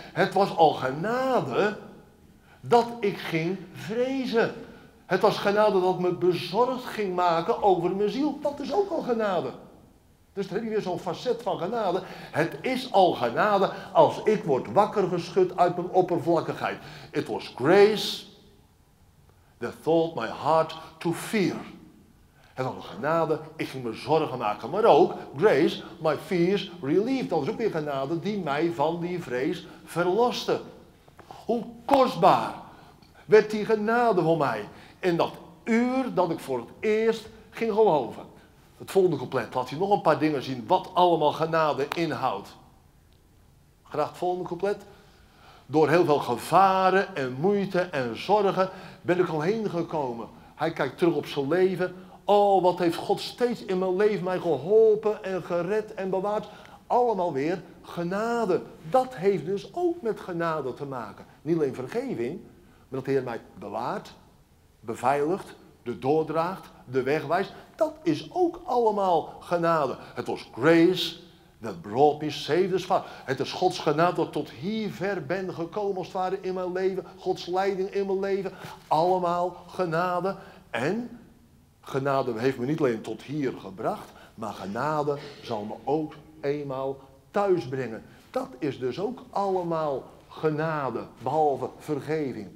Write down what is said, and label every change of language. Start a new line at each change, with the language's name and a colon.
Dutch: Het was al genade dat ik ging vrezen. Het was genade dat me bezorgd ging maken over mijn ziel. Dat is ook al genade. Dus dan heb je weer zo'n facet van genade. Het is al genade als ik word wakker geschud uit mijn oppervlakkigheid.
English: It was grace that filled my heart to fear.
Dutch: Het was genade, ik ging me zorgen maken. Maar ook grace,
English: my fears relieved.
Dutch: Dat is ook weer genade die mij van die vrees verloste. Hoe kostbaar werd die genade voor mij in dat uur dat ik voor het eerst ging geloven. Het volgende couplet laat je nog een paar dingen zien wat allemaal genade inhoudt. Graag het volgende couplet. Door heel veel gevaren en moeite en zorgen ben ik al heen gekomen. Hij kijkt terug op zijn leven. Oh, wat heeft God steeds in mijn leven mij geholpen en gered en bewaard. Allemaal weer genade. Dat heeft dus ook met genade te maken. Niet alleen vergeving, maar dat de Heer mij bewaart, beveiligt, de doordraagt, de weg wijst. Dat is ook allemaal genade.
English: Het was grace that brought me saved as far.
Dutch: Het is Gods genade dat tot hier ver ben gekomen als het ware in mijn leven. Gods leiding in mijn leven. Allemaal genade. En genade heeft me niet alleen tot hier gebracht, maar genade zal me ook eenmaal thuis brengen. Dat is dus ook allemaal genade, behalve vergeving.